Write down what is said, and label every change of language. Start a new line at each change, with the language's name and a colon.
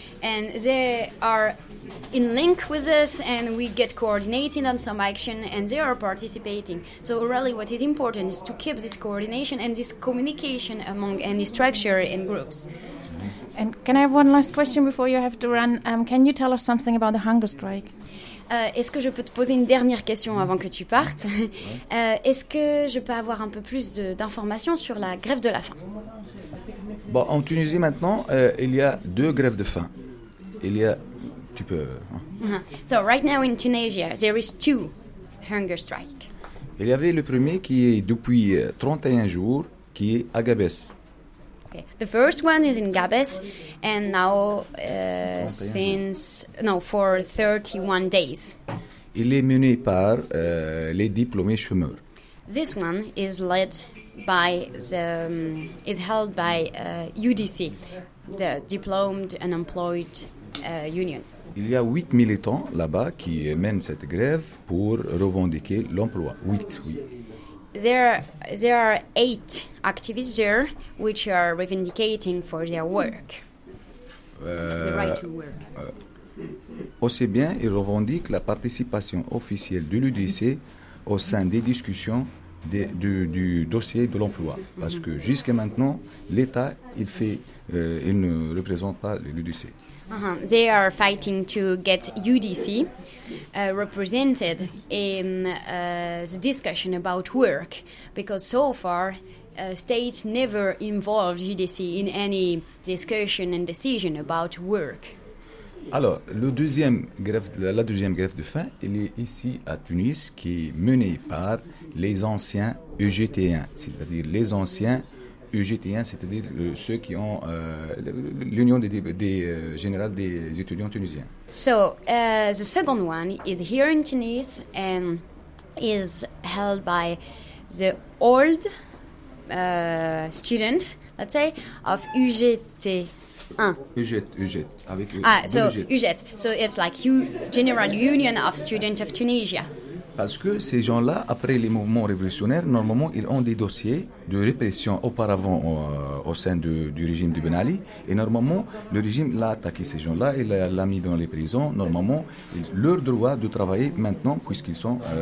English: And they are in link with us, and we get coordinated on some action, and they are participating. So really what is important is to keep this coordination and this communication among any structure and groups. And can I have one last question before you have to run? Can you tell us something about the hunger strike?
French: Est-ce que je peux te poser une dernière question avant que tu partes? Est-ce que je peux avoir un peu plus d'informations sur la grève de la faim? Bon, en Tunisie maintenant, il y a deux grèves de faim. Il y a... Tu peux...
English: So, right now in Tunisia, there is two hunger strikes.
French: Il y avait le premier qui est depuis 31 jours, qui est à Gabès.
English: The first one is in Gabès, and now for 31 days.
French: Il est mené par les diplômés chômeurs.
English: This one is led by is held by UDC, the Diplomed Unemployed Union.
French: Il y a 8 militants là-bas qui mènent cette grève pour revendiquer l'emploi. 8, oui.
English: There are 8 activists there which are reivindicating for their work. The right to work.
French: Aussi bien, ils revendiquent la participation officielle de l'UDC au sein des discussions du dossier de l'emploi. Parce que jusqu'à maintenant, l'État, il ne représente pas l'UDC.
English: They are fighting to get UDC represented in the discussion about work, because so far state never involved UDC in any discussion and decision about work.
French: Alors, la deuxième grève de faim, elle est ici à Tunis, qui est menée par les anciens UGTiens, c'est-à-dire les anciens UGTiens, c'est-à-dire ceux qui ont l'Union des générales des étudiants tunisiens.
English: So, the second one is here in Tunis and is held by the old student, let's say, of UGT1.
French: UGT, avec UGT.
English: So it's like General Union of Students of Tunisia.
French: Parce que ces gens-là, après les mouvements révolutionnaires, normalement, ils ont des dossiers de répression auparavant au sein du régime de Ben Ali. Et normalement, le régime l'a attaqué, ces gens-là, il l'a mis dans les prisons. Normalement, leur droit de travailler maintenant, puisqu'ils sont...